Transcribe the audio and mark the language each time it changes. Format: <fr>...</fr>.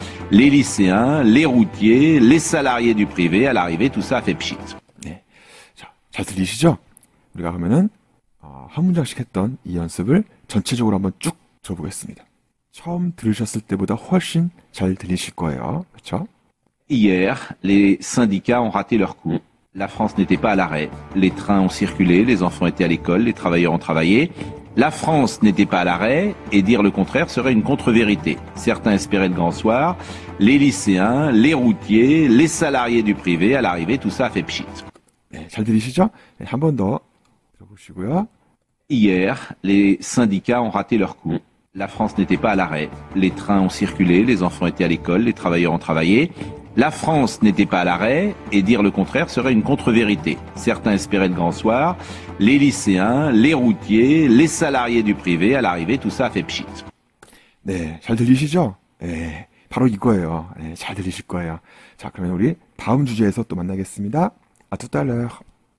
<fr>Les lycéens, les routiers, les salariés du privé, à l'arrivée, tout ça fait pshit.</fr> <ko>네. 자, 잘 들리시죠? 우리가 그러면은, 한 문장씩 했던 이 연습을 전체적으로 한번 쭉 들어보겠습니다. 처음 들으셨을 때보다 훨씬 잘 들리실 거예요. 그쵸?</ko> <fr>Hier, les syndicats ont raté leur coup. La France n'était pas à l'arrêt. Les trains ont circulé, les enfants étaient à l'école, les travailleurs ont travaillé. La France n'était pas à l'arrêt, et dire le contraire serait une contre-vérité. Certains espéraient le grand soir, les lycéens, les routiers, les salariés du privé, à l'arrivée, tout ça a fait pshit.</fr> <ko>네, 잘 들리시죠? 네, 한 번 더 들어보시고요.</ko> <fr>Hier, les syndicats ont raté leur coup. La France n'était pas à l'arrêt. Les trains ont circulé, les enfants étaient à l'école, les travailleurs ont travaillé. La France n'était pas à l'arrêt, et dire le contraire serait une contre-vérité. Certains espéraient le grand soir, les lycéens, les routiers, les salariés du privé, à l'arrivée, tout ça a fait pshit.</fr> <ko>네, 잘 들리시죠? 네, 바로 이거예요. 네, 잘 들리실 거예요. 자, 그러면 우리 다음 주제에서 또 만나겠습니다.</ko> <fr>À tout à l'heure.</fr>